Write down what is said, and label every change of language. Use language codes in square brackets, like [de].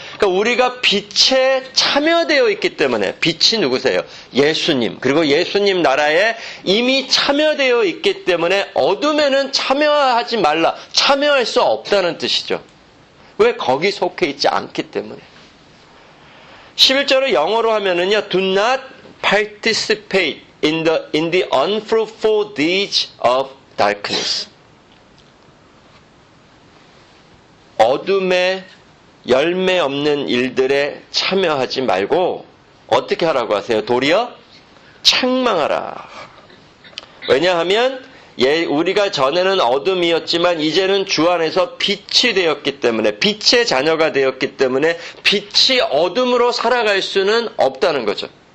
[ko] 그러니까 우리가 빛에 참여되어 있기 때문에 빛이 누구세요? 예수님. 그리고 예수님 나라에 이미 참여되어 있기 때문에 어둠에는 참여하지 말라. 참여할 수 없다는 뜻이죠. 왜? 거기 속해 있지 않기 때문에. 11절을 영어로 하면은요. [en] Do not participate in the unfruitful deeds of darkness. [ko] 어둠의 열매 없는 일들에 참여하지 말고 어떻게 하라고 하세요? 도리어 책망하라. 왜냐하면 우리가 전에는 어둠이었지만 이제는 주 안에서 빛이 되었기 때문에, 빛의 자녀가 되었기 때문에 빛이 어둠으로 살아갈 수는 없다는 거죠.